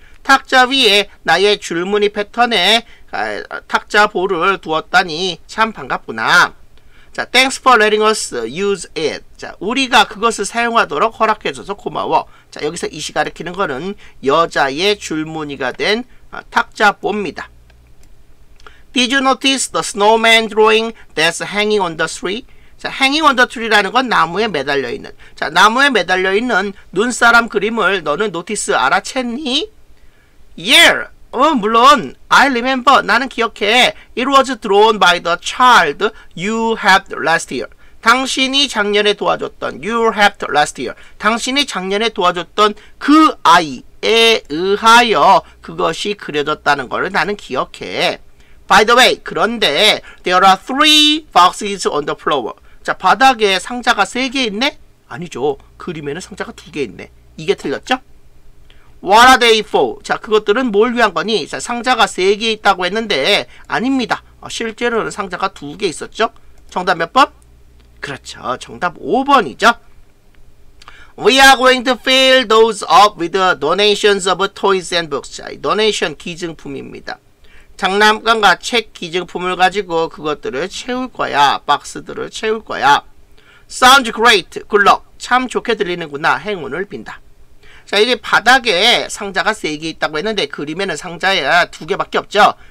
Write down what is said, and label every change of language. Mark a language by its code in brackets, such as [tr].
[ko] 탁자 위에 나의 줄무늬 패턴의 탁자 볼을 두었다니 참 반갑구나. 자, [en] thanks for letting us use it. [ko] 자, 우리가 그것을 사용하도록 허락해줘서 고마워. 자, 여기서 이시 가리키는 거는 여자의 줄무늬가 된 탁자 볼입니다. [en] Did you notice the snowman drawing that's hanging on the tree? [ko] 자, [en] hanging on the tree [ko] 라는 건 나무에 매달려 있는. 자, 나무에 매달려 있는 눈사람 그림을 너는 notice 알아챘니? Yeah. 물론. [en] I remember. [ko] 나는 기억해. [en] It was drawn by the child you helped last year. [ko] 당신이 작년에 도와줬던 [en] you helped last year. [ko] 당신이 작년에 도와줬던 그 아이에 의하여 그것이 그려졌다는 것을 나는 기억해. [en] By the way, [ko] 그런데 [en] there are three boxes on the floor. [ko] 자, 바닥에 상자가 세 개 있네? 아니죠. 그림에는 상자가 두 개 있네. 이게 틀렸죠? [en] What are they for? [ko] 자, 그것들은 뭘 위한 거니? 자, 상자가 세 개 있다고 했는데 아닙니다. 실제로는 상자가 두 개 있었죠? 정답 몇 번? 그렇죠. 정답 5번이죠. [en] We are going to fill those up with the donations of toys and books. [ko] 자, donation 기증품입니다. 장난감과 책 기증품을 가지고 그것들을 채울 거야. 박스들을 채울 거야. [en] Sounds great. Good luck. [ko] 참 좋게 들리는구나. 행운을 빈다. 자, 이게 바닥에 상자가 세 개 있다고 했는데 그림에는 상자에 두 개밖에 없죠.